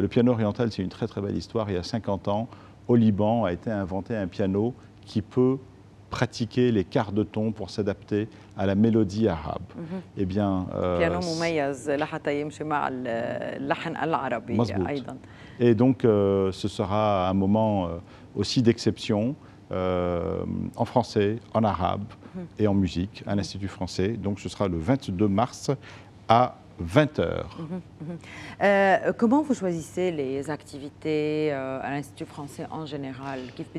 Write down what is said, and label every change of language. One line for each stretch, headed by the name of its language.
French: Le piano oriental, c'est une très très belle histoire. Il y a 50 ans, au Liban, a été inventé un piano qui peut pratiquer les quarts de ton pour s'adapter à la mélodie arabe. Mm-hmm. Eh bien,
Arabic: piano مميز لحتى يمشي مع اللحن العربي مزبوط. أيضا.
French: Et donc, ce sera un moment aussi d'exception en français, en arabe et en musique à l'Institut français. Donc, ce sera le 22 mars à 20h. Comment vous choisissez les activités à l'Institut français en général ?